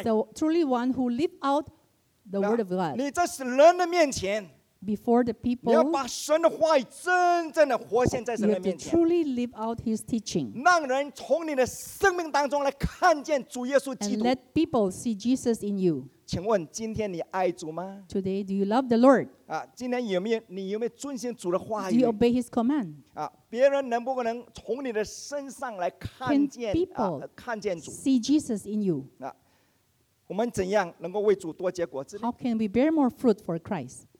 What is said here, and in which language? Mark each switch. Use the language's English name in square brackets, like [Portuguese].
[English] Is the truly one who live out the word of God. [Chinese] 你在人的面前。 [English] Before the people, [Chinese] 你要把神的话语真正的活现在神的面前。 [English] You have to truly live out His teaching. [Chinese] 让人从你的生命当中来看见主耶稣基督。 [English] And let people see Jesus in you. [Chinese] 请问今天你爱主吗 [English] ？Today, do you love the Lord? [Chinese] 今天你有没有遵行主的话语 [English] ？Do you obey His command? [Chinese] 别人能不能从你的身上来看见 看见主 [English] ？See Jesus in you. [Chinese] 我们怎样能够为主多结果子 [English] ？How can we bear more fruit for Christ?